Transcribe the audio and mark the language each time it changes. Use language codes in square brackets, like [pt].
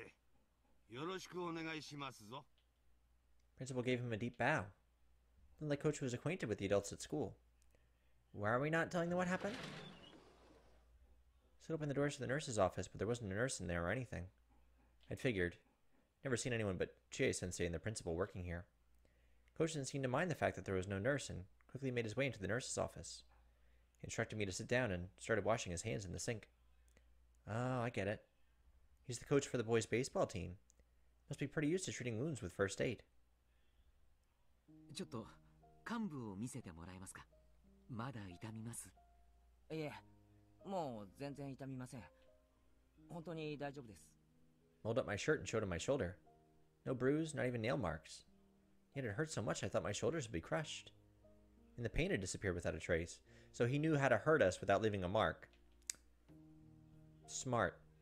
[ja] いえ、ちょっと転んでひねったみたいです。大丈夫だとは思いますけど、念のためと思いましてね。保健室をちょっとお借りいたします。うん、入江先生、よろしくお願いしますぞ。 [en] Principal gave him a deep bow. Then the coach was acquainted with the adults at school. Why are we not telling them what happened? I opened the doors to the nurse's office, but there wasn't a nurse in there or anything. I'd figured. Never seen anyone but Chie-sensei and the principal working here. Coach didn't seem to mind the fact that there was no nurse and quickly made his way into the nurse's office. He instructed me to sit down and started washing his hands in the sink. Oh, I get it. He's the coach for the boys' baseball team. Must be pretty used to treating wounds with first aid. [ja] ちょっと患部を見せてもらえますか?まだ痛みます。いえ。 [en] Rolled up my shirt and showed him my shoulder. No bruise, not even nail marks. Yet it hurt so much I thought my shoulders would be crushed. And the pain had disappeared without a trace, so he knew how to hurt us without leaving a mark. Smart.